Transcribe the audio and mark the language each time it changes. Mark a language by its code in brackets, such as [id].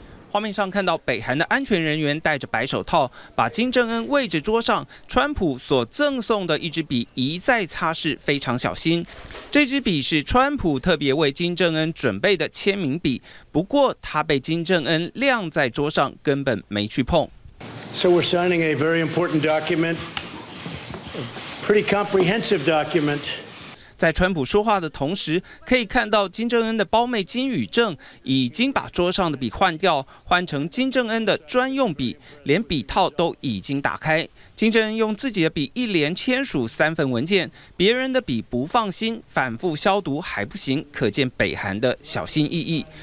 [zh] 画面上看到北韩的安全人员戴着白手套，把金正恩位置桌上川普所赠送的一支笔一再擦拭，非常小心。这支笔是川普特别为金正恩准备的签名笔，不过它被金正恩晾在桌上，根本没去碰。 [en] So we're signing a very important document. Pretty comprehensive document. [zh] 在川普说话的同时，可以看到金正恩的胞妹金宇正已经把桌上的笔换掉，换成金正恩的专用笔，连笔套都已经打开。金正恩用自己的笔一连签署3份文件，别人的笔不放心，反复消毒还不行，可见北韩的小心翼翼。